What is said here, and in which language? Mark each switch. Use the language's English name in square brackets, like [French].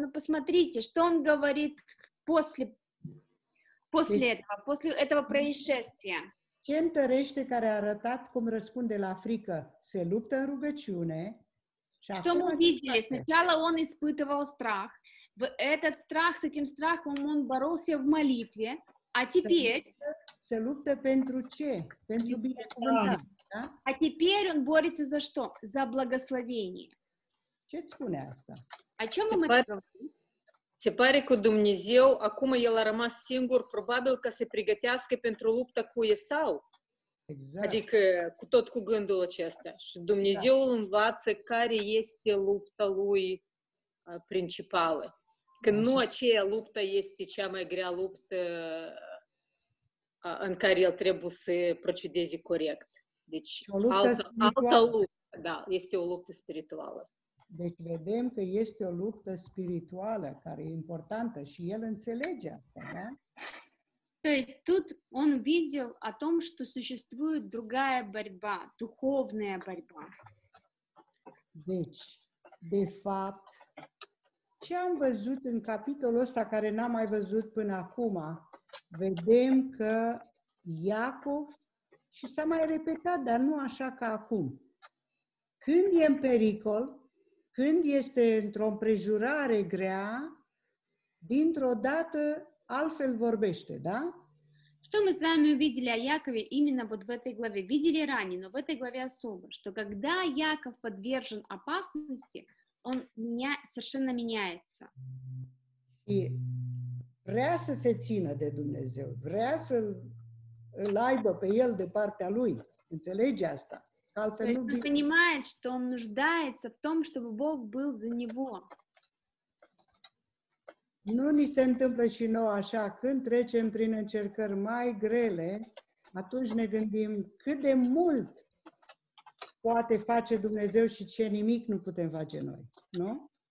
[Russian] Но посмотрите, что он говорит после этого происшествия. [Romanian] Ce întărește care a arătat cum răspunde la frică, se luptă în rugăciune. [Russian] Что мы видели? Сначала он испытывал страх. Этот страх, с этим страхом он боролся в молитве. А теперь [Romanian] se luptă pentru ce? Pentru binecuvântare, da? [Russian] А теперь он борется за что? За благословение. [Romanian] Ce spune asta? [Russian] О чём мы говорим? [Romanian] Теперь cu Dumnezeu, acum el a rămas singur, probabil ca se pregătească pentru lupta cu Esau. Exact. Adică cu tot cu gândul acesta. Și Dumnezeu îl învață care este lupta lui principală. Că nu aceea luptă este cea mai grea luptă în care el trebuie să procedeze corect. Deci altă luptă, da, este o luptă spirituală. Deci vedem că este o luptă spirituală care e importantă și el înțelege asta, da? [Russian] То есть тут он видел о том, что существует другая борьба, духовная борьба. [Romanian] Deci, de fapt, ce am văzut în capitolul ăsta care n-am mai văzut până acum? Vedem că Iacov, și s-a mai repetat, dar nu așa ca acum. Când e în pericol, când este într-o împrejurare grea, dintr-o dată altfel vorbește, da? [Russian] Что мы с вами увидели о Якове именно вот в этой главе? Видели ранее, но в этой главе особо, что когда Яков подвержен опасности, он совершенно меняется. [Romanian] И vrea să se țină de Dumnezeu, vrea să îl aibă pe el de partea lui. Înțelege asta. Altfel nu bine. [Russian] Понимает, что он нуждается в том, чтобы Бог был за него. [Romanian] Nu ni se întâmplă și nouă așa, când trecem prin încercări mai grele, atunci ne gândim cât de mult poate face Dumnezeu și ce nimic nu putem face noi, nu?